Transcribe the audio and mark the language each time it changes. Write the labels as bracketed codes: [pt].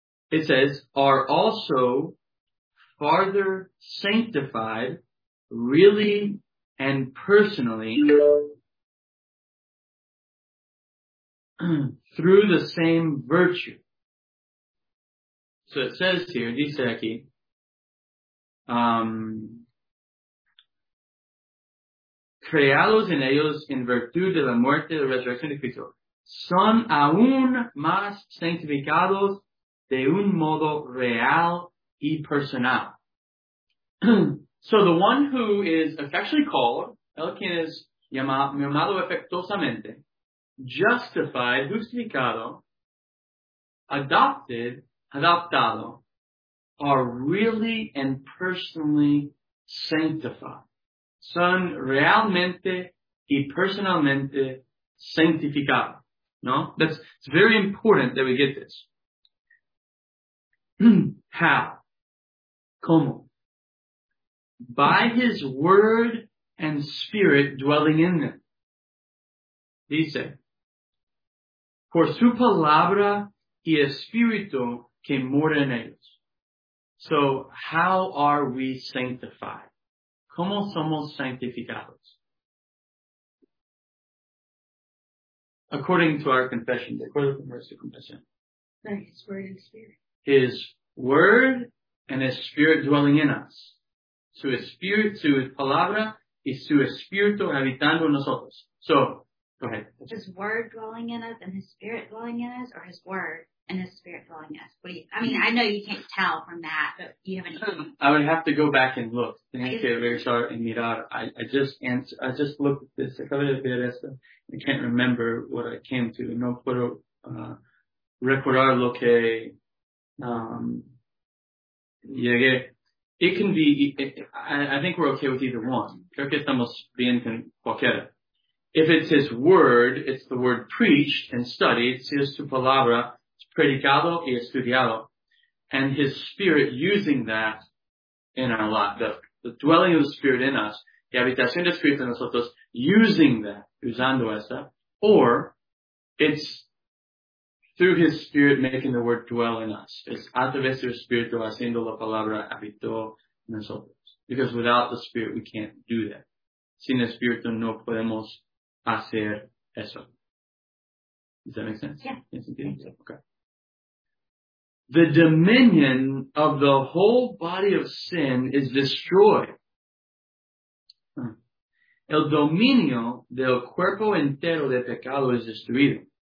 [en] It says, are also farther sanctified, really and personally, through the same virtue. So it says here, [es] dice aquí, creados en ellos en virtud de la muerte y la resurrección de Cristo, son aún más sanctificados de un modo real y personal. [en] So the one who is effectually called, [es] el quien es llamado efectuosamente, [en] justified, justificado, adopted, adoptado, are really and personally sanctified. [es] Son realmente y personalmente santificado. No? [en] It's very important that we get this. How? [es] Como? [en] By his word and spirit dwelling in them. [es] Dice, por su palabra y espíritu que mora en ellos. [en] So, how are we sanctified? [es] ¿Cómo somos santificados? [en] According to our confession, [es] de acuerdo con nuestra confesión. [en] By his word and spirit. His word and his spirit dwelling in us. [es] Su espíritu, su palabra y su espíritu habitando en nosotros. [en] So, go ahead. His word dwelling in us and his spirit dwelling in us, or his word and his spirit dwelling in us? What do you, I mean, I know you can't tell from that, but you have any clue? I would have to go back and look. [es] Tienes que regresar y mirar. [en] I just looked at this. [es] Acabo de ver esto. [en] I can't remember what I came to. [es] No puedo recordar lo que llegué. [en] It can be, I think we're okay with either one. [es] Creo que estamos bien con cualquiera. [en] If it's his word, it's the word preached and studied. [es] Si es su palabra, es predicado y estudiado. [en] And his spirit using that in our life. The dwelling of the spirit in us, [es] y habitación del espíritu en nosotros, [en] using that, [es] usando esa. [en] Or, it's through his spirit making the word dwell in us. [es] It's a través del espíritu haciendo la palabra habitó en nosotros. [en] Because without the spirit, we can't do that. [es] Sin espíritu, no podemos hacer eso. [en] Does that make sense? Yeah. Yes, okay. The dominion of the whole body of sin is destroyed. [es] El dominio del cuerpo entero de pecado es destruido.